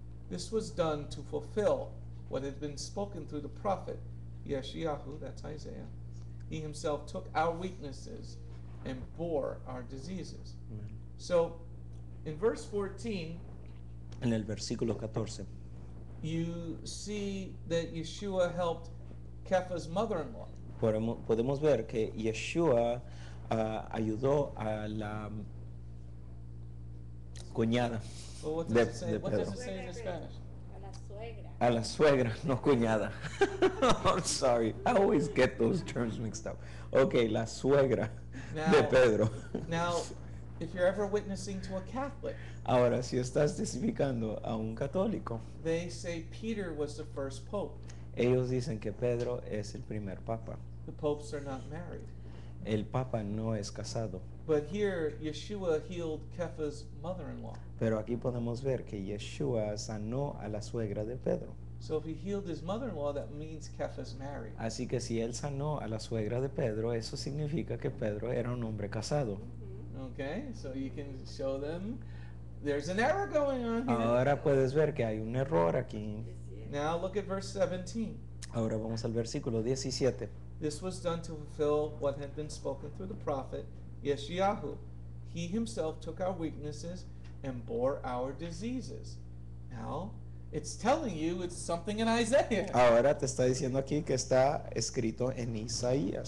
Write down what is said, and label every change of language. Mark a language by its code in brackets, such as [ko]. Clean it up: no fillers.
[en] This was done to fulfill what had been spoken through the prophet Yeshayahu, that's Isaiah. He himself took our weaknesses and bore our diseases. Amen. So, in verse 14... [es] En el versículo 14. [en] You see that Yeshua helped Kepha's mother-in-law. [es] Podemos ver que Yeshua ayudó a la cuñada. [en] Well, what does it say? What does it say in Spanish? [es] A la suegra. A la suegra, no cuñada. [en] I'm sorry. I always get those terms mixed up. Okay, [es] la suegra [en] now, [es] de Pedro. [en] Now, If you're ever witnessing to a Catholic, [es] ahora, si estás testificando a un católico, [en] they say Peter was the first pope. [es] Ellos dicen que Pedro es el primer papa. [en] The popes are not married. [es] El papa no es casado. [en] But here, Yeshua healed Kepha's mother-in-law. [es] Pero aquí podemos ver que Yeshua sanó a la suegra de Pedro. [en] So if he healed his mother-in-law, that means Kepha's married. [es] Así que si él sanó a la suegra de Pedro, eso significa que Pedro era un hombre casado. [en] Okay, so you can show them there's an error going on here. [es] Ahora puedes ver que hay un error aquí. [en] Now look at verse 17. [es] Ahora vamos al versículo 17. [en] This was done to fulfill what had been spoken through the prophet Yeshayahu. He himself took our weaknesses and bore our diseases. Now, it's telling you it's something in Isaiah. [es] Ahora te está diciendo aquí que está escrito en Isaías.